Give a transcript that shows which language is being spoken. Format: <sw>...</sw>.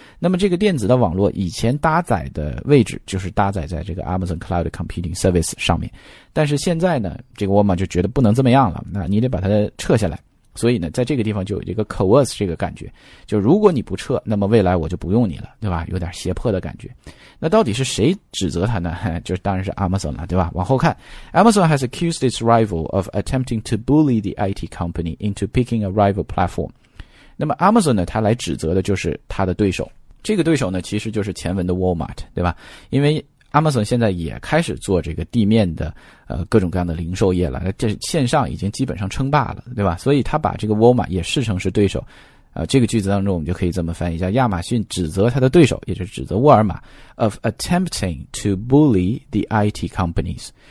<zh>那么这个电子的网络以前搭载的位置就是搭载在这个 Amazon Cloud Computing Service 上面。但是现在呢，这个 Walmart 就觉得不能这么样了，那你得把它撤下来。所以呢，在这个地方就有这个 coerce 这个感觉，就如果你不撤，那么未来我就不用你了，对吧？有点胁迫的感觉。那到底是谁指责他呢？就当然是 Amazon 了，对吧？往后看</zh> <en>，Amazon has accused its rival of attempting to bully the IT company into picking a rival platform。</en> <zh>那么 Amazon 呢，他来指责的就是他的对手，这个对手呢，其实就是前文的 Walmart， 对吧？因为Amazon 现在也开始做这个地面的各种各样的零售业了，这线上已经基本上称霸了，对吧？所以他把这个 Walmart 也视成是对手。这个句子当中我们就可以这么翻译一下，亚马逊指责他的对手，也就是指责沃尔玛</zh> <en>of attempting to bully the IT companies。</en>